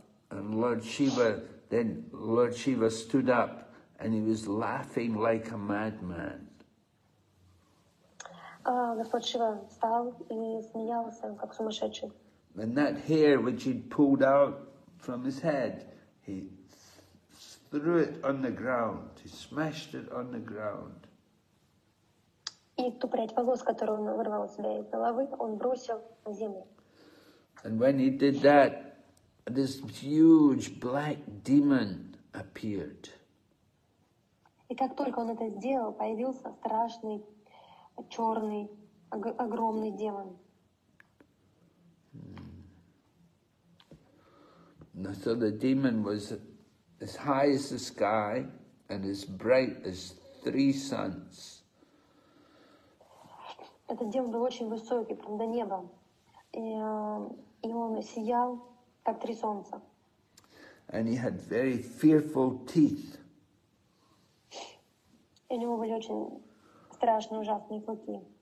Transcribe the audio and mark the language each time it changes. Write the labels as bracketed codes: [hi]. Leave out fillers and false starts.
[en] And Lord Shiva stood up and he was laughing like a madman. And that hair which he'd pulled out from his head, he threw it on the ground. He smashed it on the ground. [ru] И ту прядь волос, которую он вырвал у себя из головы, он бросил на землю. And when he did that, this huge black demon appeared. И как только он это сделал, появился страшный, черный, огромный демон. [en] So the demon was as high as the sky and as bright as three suns. [ru] Этот демон был очень высокий, прям до неба. И он сиял, как три солнца. [en] And he had very fearful teeth. [ru] И у него были очень страшные, ужасные клыки.